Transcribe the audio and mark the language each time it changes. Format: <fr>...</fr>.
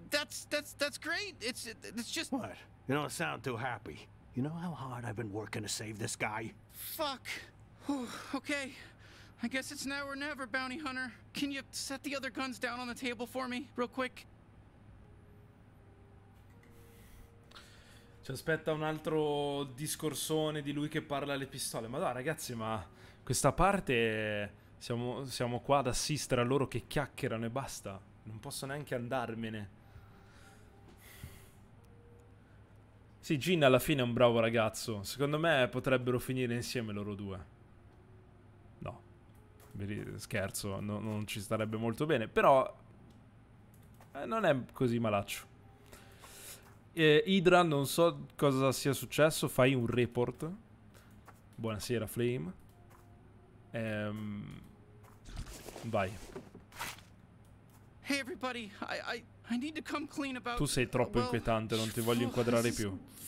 <en>That's great. It's just... What? You don't sound too happy. You know how hard I've been working to save this guy? Fuck. Whew, okay. I guess it's now or never, Bounty Hunter. Can you set the other guns down on the table for me, real quick?</en> <it>Ci aspetta un altro discorsone di lui che parla alle pistole. Ma dai, ragazzi, ma questa parte siamo qua ad assistere a loro che chiacchierano e basta. Non posso neanche andarmene. Sì, Gin alla fine è un bravo ragazzo. Secondo me potrebbero finire insieme loro due. No, scherzo, no, non ci starebbe molto bene. Però non è così malaccio. Hydra, non so cosa sia successo, fai un report. Buonasera, Flame. Vai.</it> <en>Hey everybody, I need to come clean about...</en> <it>Tu sei troppo inquietante, non ti voglio inquadrare più.</it>